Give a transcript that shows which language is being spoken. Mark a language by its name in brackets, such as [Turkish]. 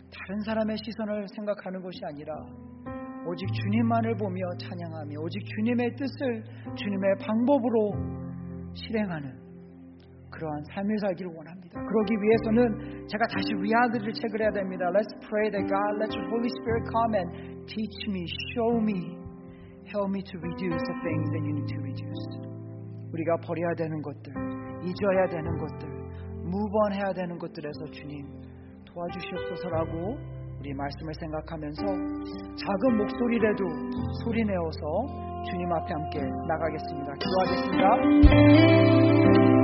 [Korean] 다른 사람의 시선을 생각하는 것이 아니라 오직 주님만을 보며 찬양하며 오직 주님의 뜻을 주님의 방법으로 실행하는 그러한 삶을 살기를 원합니다. 그러기 위해서는 제가 다시 리아드를 체크를 해야 됩니다. [English] Let's pray that God let your Holy Spirit come and teach me, show me, help me to reduce the things that you need to reduce. [Korean] 우리가 버려야 되는 것들, 잊어야 되는 것들, 무번해야 되는 것들에서 주님 도와주시옵소서라고 우리 말씀을 생각하면서 작은 목소리라도 소리내어서 주님 앞에 함께 나가겠습니다. 기도하겠습니다.